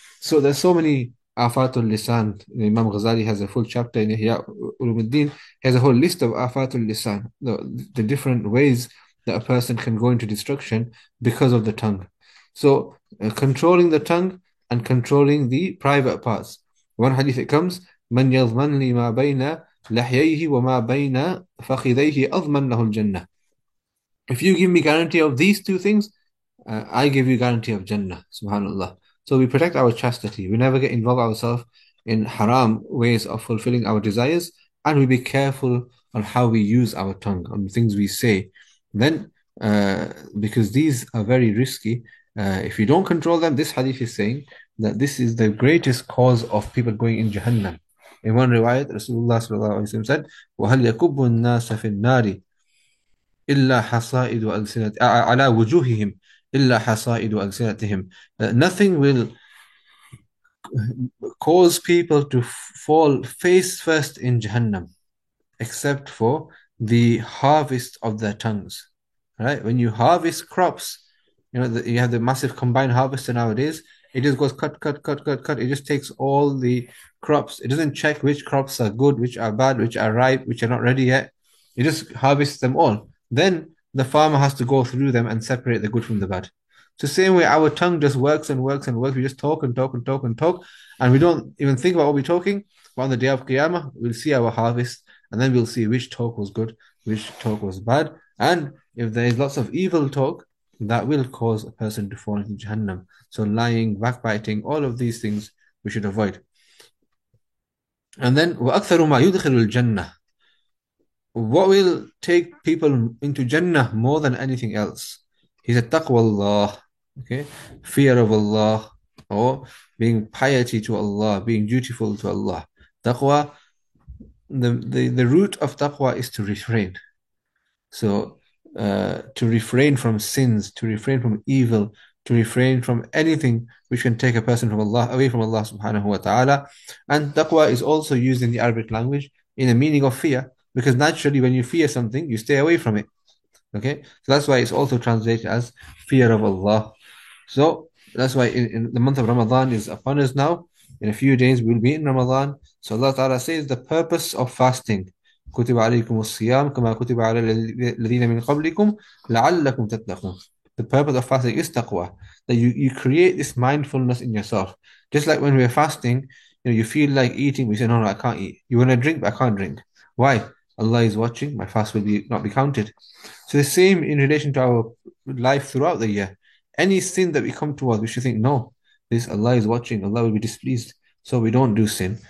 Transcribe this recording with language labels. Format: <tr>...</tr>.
<en>So there's so many afatul lisan. Imam Ghazali has a full chapter in Ihya Ulumuddin. He has a whole list of afatul lisan, the different ways that a person can go into destruction because of the tongue. So controlling the tongue and controlling the private parts. One hadith it comes,</en> <ar>من يضمن لي ما بين لحييه وما بين فخذيه أضمن له الجنة.</ar> <en>If you give me guarantee of these two things, I give you guarantee of Jannah, subhanAllah. So we protect our chastity. We never get involved ourselves in haram ways of fulfilling our desires, and we be careful on how we use our tongue, on things we say. Then, because these are very risky, if you don't control them, this hadith is saying that this is the greatest cause of people going in Jahannam. In one riwayat, Rasulullah sallallahu alaihi wasallam said,</en> <ar>وَهَلْ يَكُبُّ النَّاسَ فِي النَّارِ إِلَّا حَصَائِدُ أَلْسِنَةِ عَلَى وُجُوهِهِمْ إِلَّا حَصَائِدُ أَلْسِنَتِهِمْ.</ar> <en>Nothing will cause people to fall face first in Jahannam except for the harvest of their tongues. Right? When you harvest crops, you know, you have the massive combined harvester nowadays. It just goes cut, cut, cut, cut, cut. It just takes all the crops. It doesn't check which crops are good, which are bad, which are ripe, which are not ready yet. It just harvests them all. Then the farmer has to go through them and separate the good from the bad. So same way, our tongue just works and works and works. We just talk and talk and talk and talk, and we don't even think about what we're talking. But on the day of Qiyamah, we'll see our harvest, and then we'll see which talk was good, which talk was bad. And if there is lots of evil talk, that will cause a person to fall into Jahannam. So lying, backbiting, all of these things we should avoid. And then,</en> <ar>وَأَكْثَرُ مَا يُدْخِلُ الْجَنَّةِ.</ar> <en>What will take people into Jannah more than anything else? He said,</en> <ar>تَقْوَى اللَّهِ.</ar> <en>Okay? Fear of Allah, or being piety to Allah, being dutiful to Allah. Taqwa, the root of taqwa is to refrain. So, to refrain from sins, to refrain from evil, to refrain from anything which can take a person from Allah away from Allah subhanahu wa ta'ala. And taqwa is also used in the Arabic language in the meaning of fear, because naturally when you fear something, you stay away from it. Okay, so that's why it's also translated as fear of Allah. So that's why in the month of Ramadan is upon us now. In a few days we'll be in Ramadan. So Allah ta'ala says the purpose of fasting,</en> <ar>كُتِبَ عَلَيْكُمُ الصِّيَامُ كَمَا كُتِبَ عَلَى الَّذِينَ مِنْ قَبْلِكُمْ لَعَلَّكُمْ تَتَّقُونَ.</ar> <en>The purpose of fasting is taqwa. That you create this mindfulness in yourself. Just like when we're fasting, you know, you feel like eating, we say, no, I can't eat. You want to drink, but I can't drink. Why? Allah is watching, my fast will not be counted. So the same in relation to our life throughout the year. Any sin that we come towards, we should think, no, this Allah is watching, Allah will be displeased. so we don't do sin.</en>